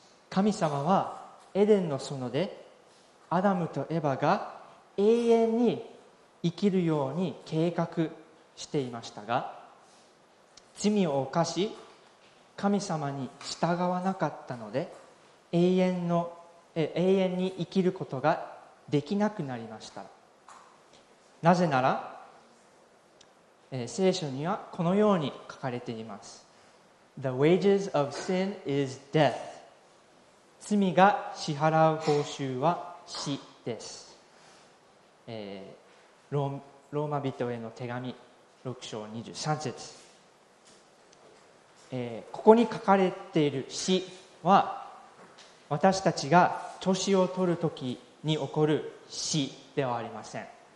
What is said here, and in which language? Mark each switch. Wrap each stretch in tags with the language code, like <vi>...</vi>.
<ja>神様はエデンの園でアダムとエバが永遠に生きるように計画していましたが、罪を犯し神様に従わなかったので永遠に生きることができなくなりました。なぜなら、聖書にはこのように書かれています。</ja> <en>The wages of sin is death.</en> <ja>罪が支払う報酬は死です。ローマ人への手紙6章23節、ここに書かれている死は私たちが年を取るときに起こる死ではありません。</ja>